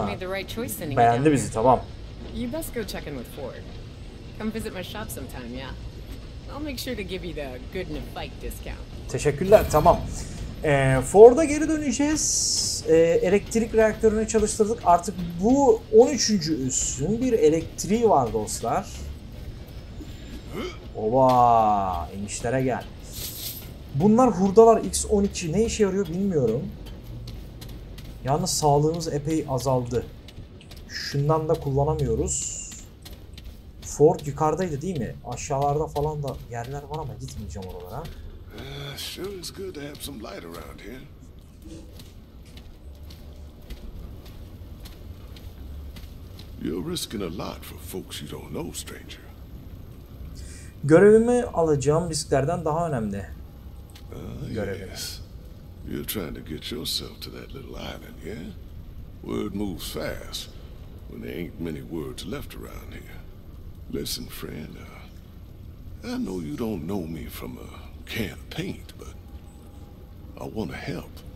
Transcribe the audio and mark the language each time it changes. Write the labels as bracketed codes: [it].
[en] You made the right choice sending you down. [tr] Beğendi bizi, tamam. [en] You best go check in with Ford. Come visit my shop sometime, yeah. I'll make sure to give you the good in a fight discount. [tr] Teşekkürler, tamam. Ford'a geri döneceğiz. Elektrik reaktörünü çalıştırdık. Artık bu 13. üssün bir elektriği var dostlar. Oba, enişlere gel. Bunlar hurdalar X12. Ne işe yarıyor bilmiyorum. Yalnız sağlığımız epey azaldı. Şundan da kullanamıyoruz. Ford yukarıdaydı değil mi? Aşağılarda falan da yerler var ama gitmeyeceğim oralara. [en] Sounds good to have some light around here. You're risking a lot for folks you don't know, stranger. [tr] Görevimi alacağım risklerden daha önemli. Görevimiz. [en] You're trying to get yourself to that little island, yeah? Word moves fast when there ain't many words left around here. Listen, friend. I know you don't know me from a can of paint, but I want to help.